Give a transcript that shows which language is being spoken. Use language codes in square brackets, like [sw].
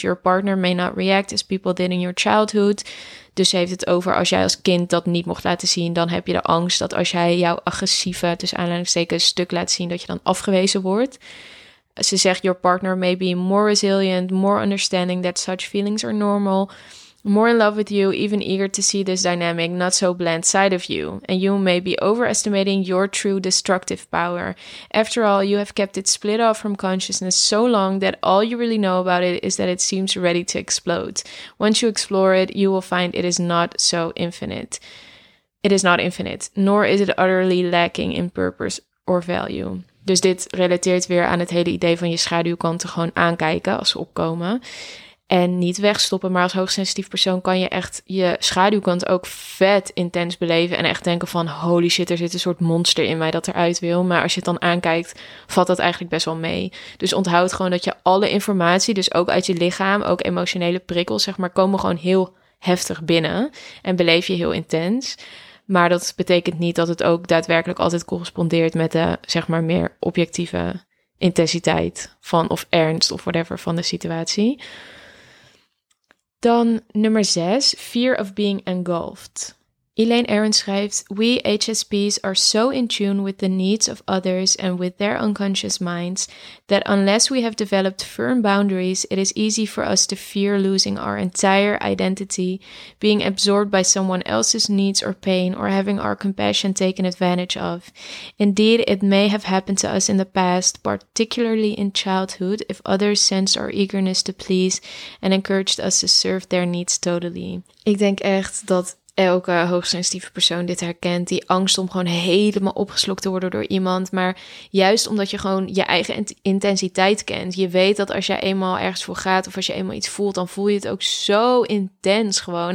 [en] Your partner may not react as people did in your childhood. [nl] Dus ze heeft het over, als jij als kind dat niet mocht laten zien, dan heb je de angst dat als jij jouw agressieve, tussen aanleidingstekens, stuk laat zien, dat je dan afgewezen wordt. Ze zegt, [en] your partner may be more resilient, more understanding that such feelings are normal, more in love with you, even eager to see this dynamic, not so bland side of you. And you may be overestimating your true destructive power. After all, you have kept it split off from consciousness so long that all you really know about it is that it seems ready to explode. Once you explore it, you will find it is not so infinite. It is not infinite, nor is it utterly lacking in purpose or value. [nl] Dus dit relateert weer aan het hele idee van je schaduwkanten gewoon aankijken als ze opkomen. En niet wegstoppen, maar als hoogsensitief persoon kan je echt je schaduwkant ook vet intens beleven. En echt denken van, holy shit, er zit een soort monster in mij dat eruit wil. Maar als je het dan aankijkt, valt dat eigenlijk best wel mee. Dus onthoud gewoon dat je alle informatie, dus ook uit je lichaam, ook emotionele prikkels, zeg maar, komen gewoon heel heftig binnen. En beleef je heel intens. Maar dat betekent niet dat het ook daadwerkelijk altijd correspondeert met de, zeg maar, meer objectieve intensiteit van, of ernst of whatever van de situatie. Dan nummer 6, [en] fear of being engulfed. Elaine Aron [nl] schrijft, [en] we HSPs are so in tune with the needs of others and with their unconscious minds that unless we have developed firm boundaries, it is easy for us to fear losing our entire identity, being absorbed by someone else's needs or pain, or having our compassion taken advantage of. Indeed, it may have happened to us in the past, particularly in childhood, if others sensed our eagerness to please and encouraged us to serve their needs totally. [nl] Ik denk echt dat elke hoogsensitieve persoon dit herkent, die angst om gewoon helemaal opgeslokt te worden door iemand. Maar juist omdat je gewoon je eigen intensiteit kent, je weet dat als je eenmaal ergens voor gaat, of als je eenmaal iets voelt, dan voel je het ook zo intens gewoon.